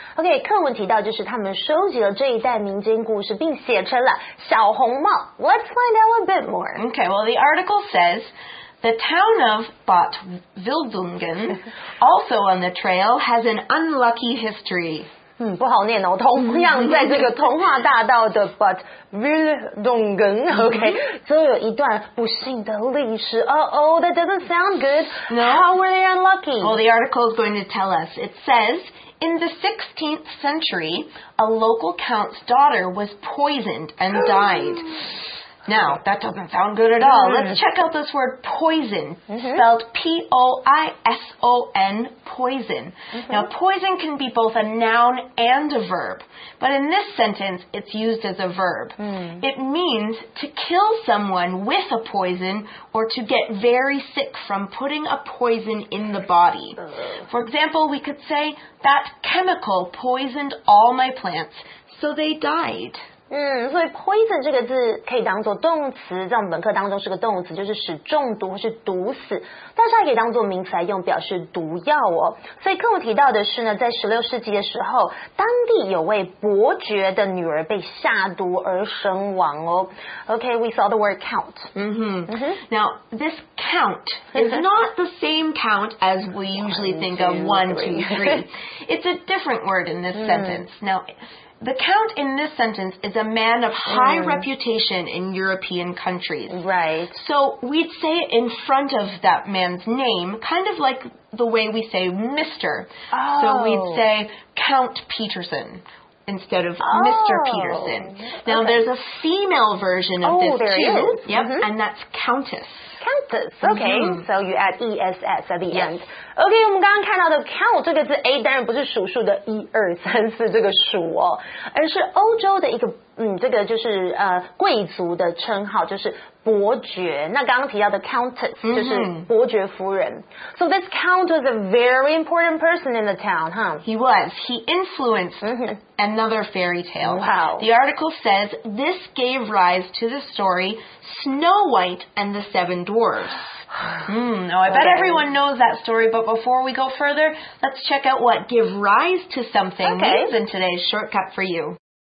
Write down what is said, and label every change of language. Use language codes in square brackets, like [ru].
[zh] Okay, 课文提到就是他们收集了这一代民间故事并写成了小红帽。 [en] Let's find out a bit more. Okay, well the article says... The town of Bad Wildungen, also on the trail, has an unlucky history. [zh] 不好念哦，同样在这个童话大道的 Bad Wildungen, OK, 就有一段不幸的历史。 [en] Uh-oh, that doesn't sound good. No. How were they unlucky? Well, the article is going to tell us. It says... In the 16th century, a local count's daughter was poisoned and died. Now, that doesn't sound good at all. Let's check out this word poison, spelled P-O-I-S-O-N, poison. Now, poison can be both a noun and a verb, but in this sentence, it's used as a verb. It means to kill someone with a poison or to get very sick from putting a poison in the body. For example, we could say... That chemical poisoned all my plants, so they died. [zh] 所以 poison 这个字可以当作动词，在我们本科当中是个动词，就是使中毒或是毒死。但是它可以当作名词来用，表示毒药哦。所以课文提到的是呢，在16世纪的时候，当地有位伯爵的女儿被下毒而身亡哦。 [en] Okay, we saw the word count. Now, this count is not the same count as we usually think of 1, 2, 3. It's a different word in this sentence. Now,The count in this sentence is a man of high reputation in European countries. Right. So we'd say it in front of that man's name, kind of like the way we say Mr. Oh. So we'd say Count Peterson instead of Mr. Peterson. Now there's a female version of this there too. Is. Yep, and that's Countess. Countess, okay,、so you add E-S-S at the、 yes. end. [zh] Okay, 我们刚刚看到的 count 这个字 A 当然不是数数的一二三四这个数哦，而是欧洲的一个、这个就是、贵族的称号，就是伯爵。那刚刚提到的 countess 就是伯爵夫人。 [en] So this count was a very important person in the town, huh? He was. He influenced、another fairy tale. Wow. The article says this gave rise to the story Snow White and the Seven Dwarfs. Now, I bet everyone knows that story, but before we go further, let's check out what give rise to something means in today's shortcut for you.